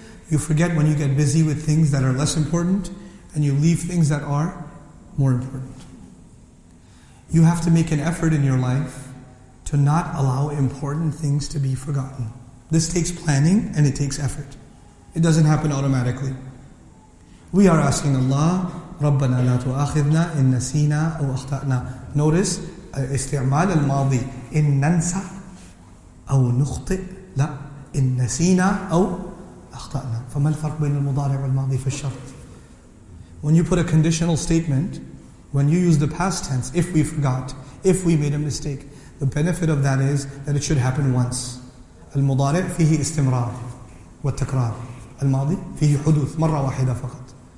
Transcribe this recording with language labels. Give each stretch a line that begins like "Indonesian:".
English: You forget when you get busy with things that are less important and you leave things that are more important. You have to make an effort in your life to not allow important things to be forgotten. This takes planning and it takes effort. It doesn't happen automatically. We are asking Allah,
Arabic: رَبَّنَا لَا تُؤَخِذْنَا إِن نَسِيْنَا أَوْ أَخْطَأْنَا. Notice, استعمال الماضي إِن نَنْسَ أَوْ نُخْطِئْ لَا إِن نَسِيْنَا أَوْ أَخْطَأْنَا. فَمَا الْفَرْقُ بَيْنَ الْمُضَارِعِ وَالْمَاضِي فِي الشَّرْطِ.
English: When you put a conditional statement, when you use the past tense, if we forgot, if we made a mistake, the benefit of that is that it should happen once.
Arabic: الْمُضَارِعِ فِيهِ استمرار وَالتَّكْرَارِ الْمَاضِي فِيهِ حُدُوثٌ مَرَّة وَاحِدَةً فَقَطْ.